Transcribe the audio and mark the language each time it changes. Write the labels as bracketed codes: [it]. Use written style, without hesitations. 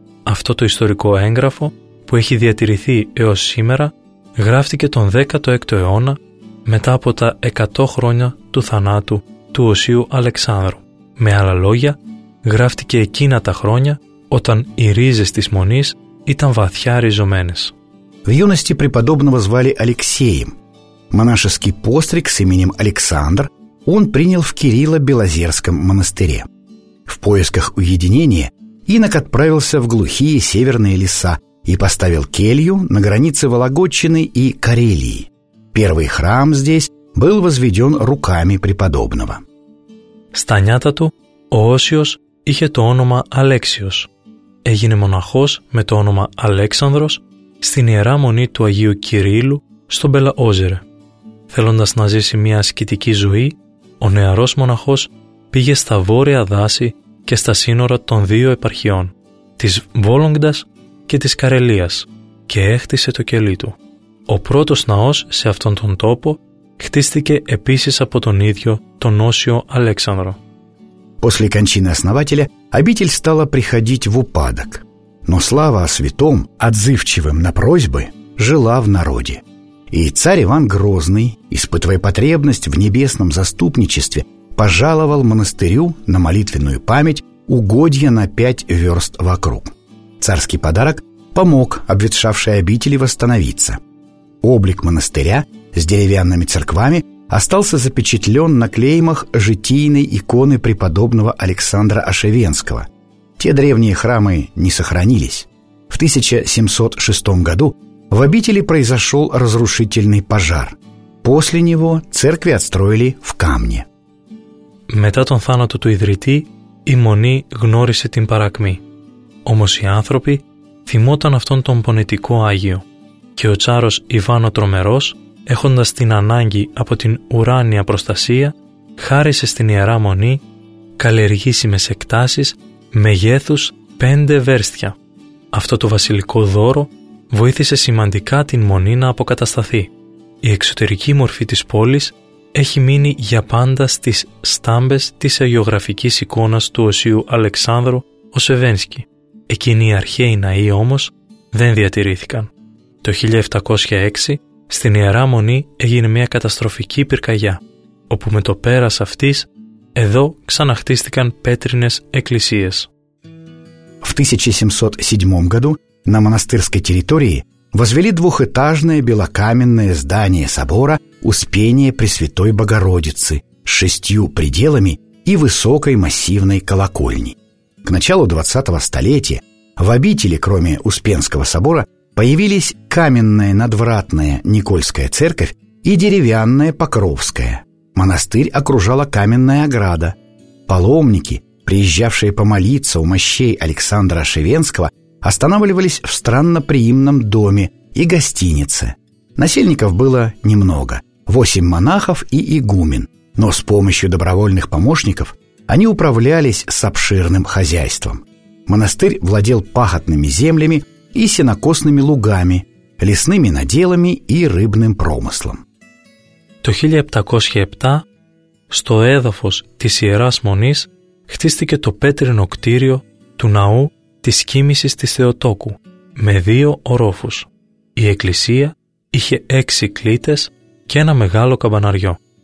[el] Αυτό το ιστορικό έγγραφο, που έχει διατηρηθεί έως σήμερα, γράφτηκε τον 16ο αιώνα, μετά από τα 100 χρόνια του θανάτου του Οσίου Αλεξάνδρου. Με άλλα λόγια, γράφτηκε εκείνα τα χρόνια όταν οι ρίζες της μονής ήταν βαθιά ριζωμένες. [ru] В юности преподобного звали Алексеем. Монашеский постриг с именем Александр он принял в Кирилло-Белозерском монастыре. В поисках уединения инок отправился в глухие северные леса и поставил келью на границе Вологодчины и Карелии. Первый храм здесь был возведен руками преподобного. [el] Станятату Оосиос είχε το όνομα Αλέξιος. Έγινε μοναχός με το όνομα Αλέξανδρος στην Ιερά Μονή του Αγίου Κυρίλου στον Μπελαόζερε. Θέλοντας να ζήσει μια ασκητική ζωή, ο νεαρός μοναχός πήγε στα βόρεια δάση και στα σύνορα των δύο επαρχιών, της Βόλογκτας και της Καρελίας, και έχτισε το κελί του. Ο πρώτος ναός σε αυτόν τον τόπο χτίστηκε επίσης από τον ίδιο τον Όσιο Αλέξανδρο. [ru] После кончины основателя обитель стала приходить в упадок. Но слава о святом, отзывчивым на просьбы, жила в народе. И царь Иван Грозный, испытывая потребность в небесном заступничестве, пожаловал монастырю на молитвенную память угодья на 5 верст вокруг. Царский подарок помог обветшавшей обители восстановиться. Облик монастыря с деревянными церквами остался запечатлен на клеймах житийной иконы преподобного Александра Ашевенского. Те древние храмы не сохранились. В 1706 году в обители произошел разрушительный пожар. После него церкви отстроили в камне. [el] Μετά τον θάνατο του ιδρυτή, η μονή γνώρισε την παρακμή. Όμως οι άνθρωποι θυμόταν αυτόν τον πονετικό Άγιο και ο τσάρος Ιβάν ο Τρομερός, έχοντας την ανάγκη από την ουράνια προστασία, χάρισε στην Ιερά Μονή καλλιεργήσιμες εκτάσεις μεγέθους 5 βέρστια. Αυτό το βασιλικό δώρο βοήθησε σημαντικά την Μονή να αποκατασταθεί. Η εξωτερική μορφή της πόλης έχει μείνει για πάντα στις στάμπες της αγιογραφικής εικόνας του Οσίου Αλεξάνδρου ο Σεβένσκι. Εκείνοι οι αρχαίοι ναοί όμως δεν διατηρήθηκαν. Το 1706 στην Ιερά Μονή έγινε μια καταστροφική πυρκαγιά, όπου με το πέρας αυτής, εδώ ξαναχτίστηκαν πέτρινες εκκλησίες. [ru] В 1707 году на монастырской территории возвели двухэтажное белокаменное здание собора Успения Пресвятой Богородицы с 6 пределами и высокой массивной колокольней. К началу 20-го столетия в обители, кроме Успенского собора, появились каменная надвратная Никольская церковь и деревянная Покровская. Монастырь окружала каменная ограда. Паломники, приезжавшие помолиться у мощей Александра Шевенского, останавливались в странноприимном доме и гостинице. Насельников было немного – 8 монахов и игумен. Но с помощью добровольных помощников они управлялись с обширным хозяйством. Монастырь владел пахотными землями и сенокосными лугами, лесными наделами и рыбным промыслом. [el] Το 1707 στο έδαφος της Ιεράς Μονής χτίστηκε το πέτρινο κτίριο του ναού της κοίμησης της Θεοτόκου με 2 ορόφους. Η εκκλησία είχε 6 κλήτες και ένα μεγάλο καμπαναριό.